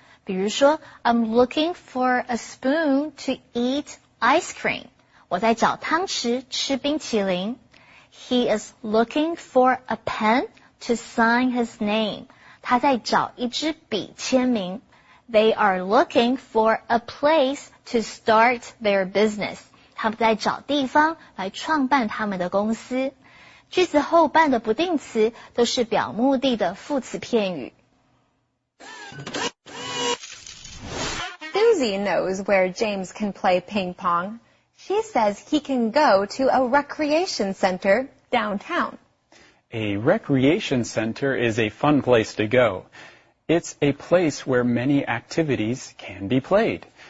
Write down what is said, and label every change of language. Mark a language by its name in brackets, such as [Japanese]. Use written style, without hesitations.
[Chinese] 比如说 [English] I'm looking for a spoon to eat ice cream. [Chinese] 我在找汤匙吃冰淇淋。 [English] He is looking for a pen to sign his name. [Chinese] 他在找一支笔签名。 [English] They are looking for a place to start their business. [Chinese] 他们在找地方来创办他们的公司。句子后半的不定词都是表目的的副词片语。 [English] Susie knows where James can play ping pong. She says he can go to a recreation center downtown. A recreation center is a fun place to go. It's a place where many activities can be played.